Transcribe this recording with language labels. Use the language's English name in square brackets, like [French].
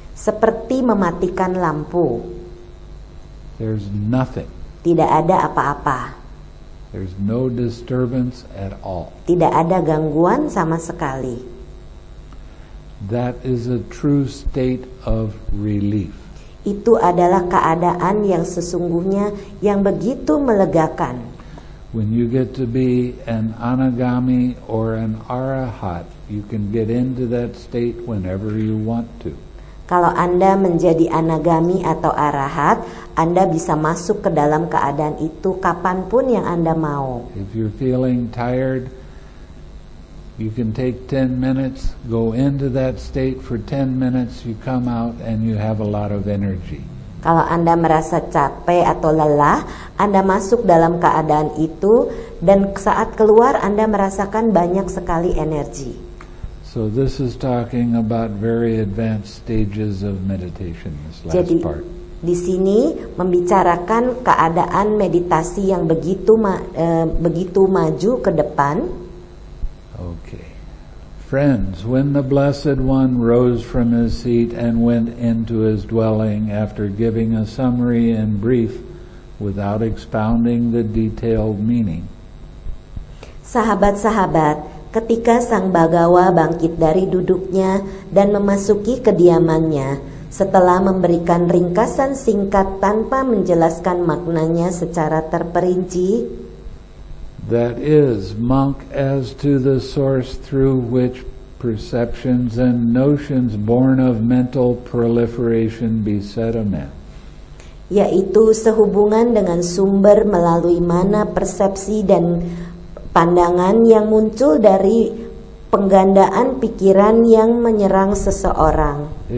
[Indonesian] Seperti mematikan lampu. [English] There's nothing. [Indonesian] Tidak ada apa-apa. [English] There's no disturbance at all. [Indonesian] Tidak ada gangguan sama sekali. [English] That is a true state of relief. [Indonesian] Itu adalah keadaan yang sesungguhnya yang begitu melegakan. [English] When you get to be an anagami or an arahat, you can get into that state whenever you want to. [Indonesian] Kalau Anda menjadi anagami atau arahat, Anda bisa masuk ke dalam keadaan itu kapanpun yang Anda mau. [English] If you're feeling tired, you can take 10 minutes, go into that state for 10 minutes, you come out and you have a lot of energy. [Indonesian] Kalau Anda merasa capek atau lelah, Anda masuk dalam keadaan itu dan saat keluar Anda merasakan banyak sekali energi. [English] So this is talking about very advanced stages of meditation, this last [Indonesian] Jadi, [English] part. [Indonesian] Di sini membicarakan keadaan meditasi yang begitu begitu maju ke depan. [English] Okay. Friends, when the Blessed One rose from his seat and went into his dwelling after giving a summary in brief without expounding the detailed meaning. [Indonesian] Sahabat-sahabat, ketika Sang Bhagawa bangkit dari duduknya dan memasuki kediamannya, setelah memberikan ringkasan singkat tanpa menjelaskan maknanya secara terperinci, [English] that is, monk, as to the source through which perceptions and notions born of mental proliferation beset a man. [Indonesian] Yaitu sehubungan dengan sumber melalui mana persepsi dan pandangan yang muncul dari penggandaan pikiran yang menyerang seseorang.